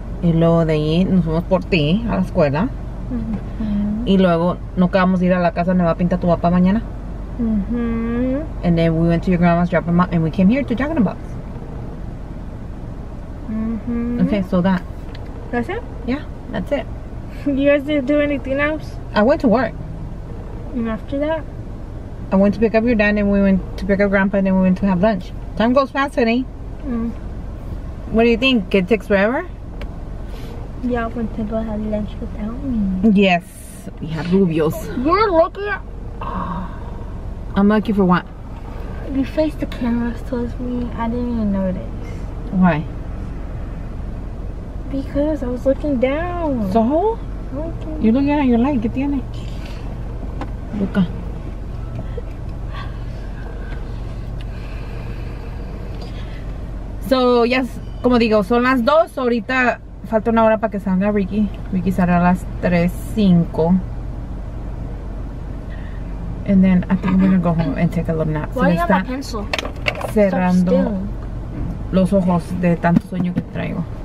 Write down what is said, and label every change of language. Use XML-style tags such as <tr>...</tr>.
<es>Y luego de ahí nos fuimos por ti a la escuela. Mm-hmm. Y luego no acabamos de ir a la casa donde va a pintar tu papá mañana. Mm-hmm.</es> <en>And then we went to your grandma's drop and we came here to Jack in the Box. Mm-hmm. Okay, so that. That's it? Yeah, that's it. You guys didn't do anything else? I went to work. And after that? I went to pick up your dad and we went to pick up grandpa and then we went to have lunch. Time goes fast, honey. Mm. What do you think? It takes forever? Yeah, when people have lunch without me. Yes, we have rubios. You're lucky. I'm lucky for what? You faced the cameras towards me. I didn't even notice. Why? Because I was looking down. So? Okay. You're looking at your leg.</en> <es>¿Qué tiene?</es> <en>Luca. So, yes,</en> <es>como digo, son las 2. So ahorita falta una hora para que salga Ricky. Ricky sale a las 3:05.</es> <en>And then I think I'm gonna go home and take a little nap. Why do you have a pencil?</en> <es>Cerrando los ojos de tanto sueño que traigo.</es>